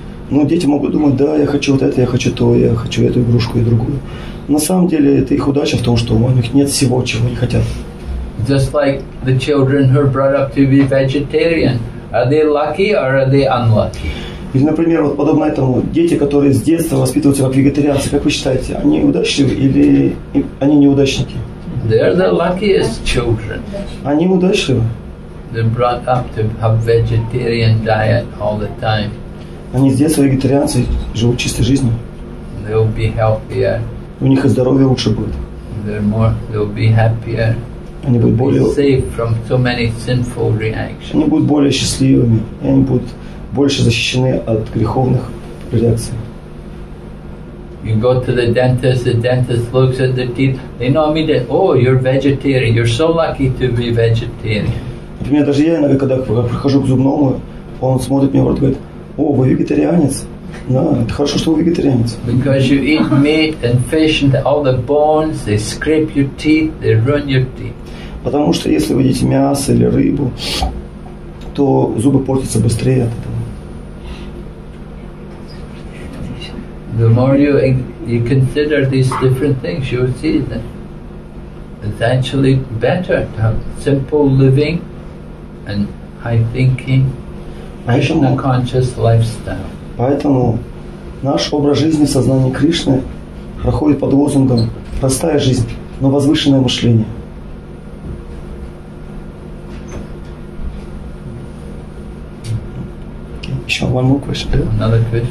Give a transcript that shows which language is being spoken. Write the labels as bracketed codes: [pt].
[ru] Ну, дети могут думать, да, я хочу вот это, я хочу то, я хочу эту игрушку и другую. На самом деле, это их удача в том, что у них нет всего, чего они хотят. [en] Just like the children who are brought up to be vegetarian, are they lucky or are they unlucky? [ru] Или, например, вот подобно этому, дети, которые с детства воспитываются как вегетарианцы, как вы считаете, они удачливы или они неудачники? [en] They're the luckiest children. [ru] Они удачливы. [en] They're brought up to have vegetarian diet all the time. [ru] Они с детства вегетарианцы, живут чистой жизнью. [en] They'll be healthier. [ru] У них и здоровье лучше будет. [en] They're more, they'll be happier. [ru] Они будут более [en] safe from so many sinful reactions. [ru] Они будут более счастливыми, и они будут больше защищены от греховных реакций. [en] You go to the dentist looks at the teeth. They know immediately. Oh, you're vegetarian. You're so lucky to be vegetarian. [ru] Например, даже я иногда, когда прихожу к зубному, он смотрит меня и говорит: "О, вы вегетарианец? Да, это хорошо, что вы вегетарианец." [en] Because you eat meat and fish and all the bones, they scrape your teeth, they ruin your teeth. [ru] Потому что если вы едите мясо или рыбу, то зубы портятся быстрее от этого. [en] The more you consider these different things, you will see that it's actually better to have simple living and high thinking, Krishna conscious lifestyle. [ru] Поэтому наш образ жизни в сознании Кришны проходит под лозунгом «простая жизнь, но возвышенное мышление». Еще [en] one more question. Another question.